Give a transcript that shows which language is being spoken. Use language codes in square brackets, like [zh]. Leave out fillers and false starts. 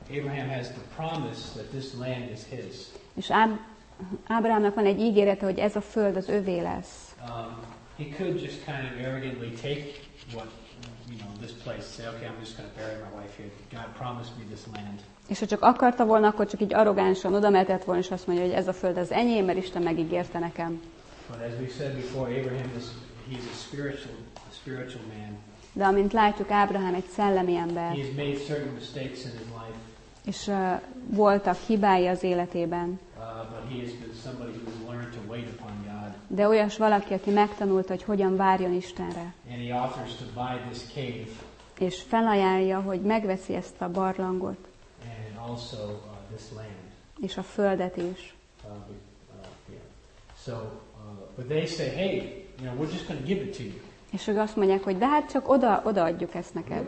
[en] Abraham has the promise that this land is his. [hu] És Ábrahámnak van egy ígérete, hogy ez a föld az övé lesz. [en] He could just kind of arrogantly take what this place, say, okay, I'm just going to bury my wife here. God promised me this land. [hu] És ha csak akarta volna, akkor csak így arrogánsan oda mehetett volna, és azt mondja, hogy ez a föld az enyém, mert Isten megígérte nekem. [en] But as we said before, Abraham is, he's a spiritual man. [hu] De amint látjuk, Ábrahám egy szellemi ember. [en] He's made certain mistakes in his life. [hu] És voltak hibái az életében. [en] But he has been somebody who has learned to wait upon God. [hu] De olyas valaki, aki megtanult, hogy hogyan várjon Istenre. [en] And he offers to buy this cave. [hu] És felajánlja, hogy megveszi ezt a barlangot. [en] And also this land. [hu] És a földet is. [en] Yeah. So, but they say, hey, you know, we're just going to give it to you. [hu] És ők azt mondják, hogy de hát csak oda adjuk ezt neked.